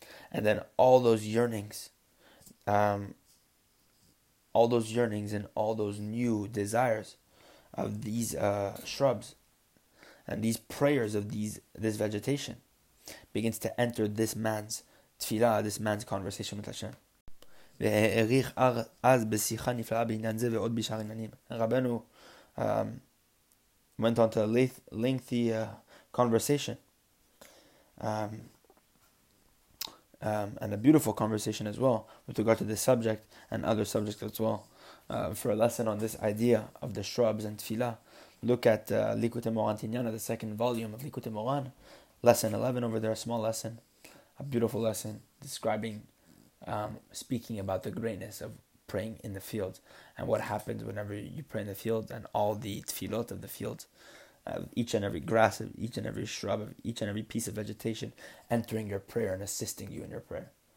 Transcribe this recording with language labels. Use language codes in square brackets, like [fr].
[en] And then all those yearnings and all those new desires of these shrubs and these prayers of this vegetation begins to enter this man's tefillah, this man's conversation with Hashem. [he] והעריך אז בשיחה נפלאה בעניין זה ועוד בשאר עניינים. [en] רבנו went on to a lengthy conversation, and a beautiful conversation as well, with regard to this subject and other subjects as well. For a lesson on this idea of the shrubs and tefillah, look at Likutei Moran Tinyana, the second volume of Likutei Moran, lesson 11 over there, a small lesson, a beautiful lesson describing, speaking about the greatness of praying in the field and what happens whenever you pray in the field and all the tefillot of the field, each and every grass, of each and every shrub, of each and every piece of vegetation entering your prayer and assisting you in your prayer.